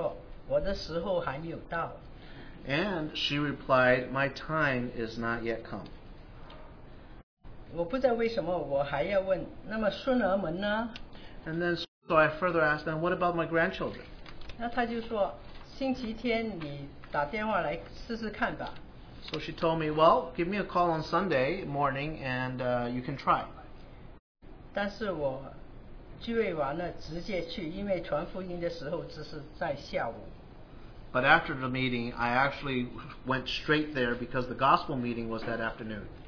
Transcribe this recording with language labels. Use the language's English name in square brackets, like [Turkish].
[Chinese] 她就回答说，我的时候还没有到。 [English] And she replied, "My time is not yet come." [Chinese] 我不知道为什么我还要问，那么孙儿们呢？ [English] And then so I further asked them, "What about my grandchildren?" [Chinese] 那他就说，星期天你打电话来试试看吧。 [English] So she told me, "Well, give me a call on Sunday morning, and you can try." [Chinese] 但是我聚会完了直接去，因为传福音的时候只是在下午。 [English] But after the meeting, I actually went straight there because the gospel meeting was that afternoon.